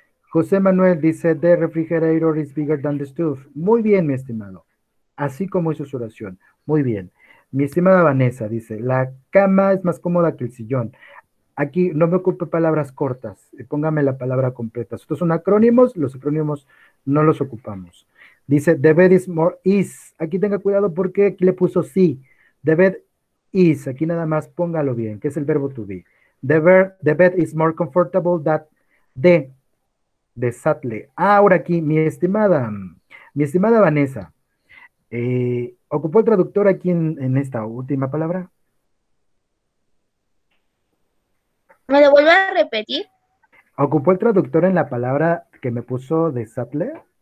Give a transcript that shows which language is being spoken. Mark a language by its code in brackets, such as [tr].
[en] José Manuel [es] dice, [en] the refrigerator is bigger than the stove. [es] Muy bien, mi estimado. Así como hizo su oración. Muy bien. Mi estimada Vanessa dice, la cama es más cómoda que el sillón. Aquí no me ocupe palabras cortas. Póngame la palabra completa. Estos son acrónimos. Los acrónimos no los ocupamos. Dice, [en] the bed is more is. [es] Aquí tenga cuidado porque aquí le puso sí. [en] The bed is, [es] aquí nada más póngalo bien, que es el verbo to be. [en] The bed is more comfortable than the saddle. [es] Ahora aquí, mi estimada Vanessa, ¿ocupó el traductor aquí en esta última palabra? ¿Me lo vuelvo a repetir? ¿Ocupó el traductor en la palabra que me puso de saddle?